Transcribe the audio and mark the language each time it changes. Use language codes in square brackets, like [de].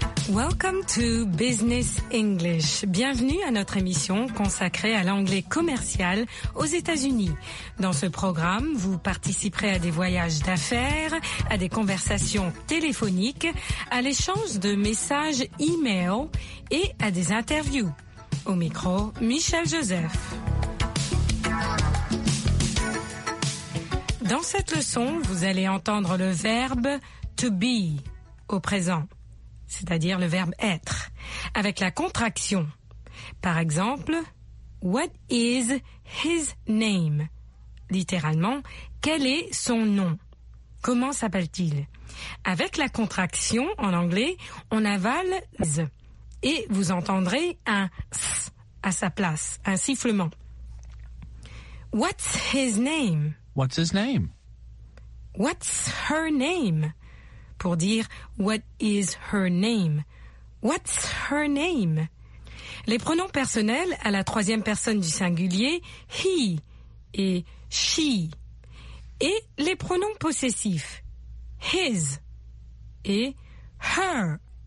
[en] Welcome to Business English. [fr] Bienvenue à notre émission consacrée à l'anglais commercial aux États-Unis. Dans ce programme, vous participerez à des voyages d'affaires, à des conversations téléphoniques, à l'échange de messages e-mail et à des interviews. Au micro, Michel Joseph. Dans cette leçon, vous allez entendre le verbe to be au présent, c'est-à-dire le verbe être, avec la contraction. Par exemple, [en] what is his name? [fr] Littéralement, quel est son nom? Comment s'appelle-t-il? Avec la contraction, en anglais, on avale z et vous entendrez un s à sa place, un sifflement. [en] What's his name? What's his name? What's her name? [fr] Pour dire [en] what is her name? What's her name? [fr] Les pronoms personnels à la troisième personne du singulier, he et she. Et les pronoms possessifs, his et her.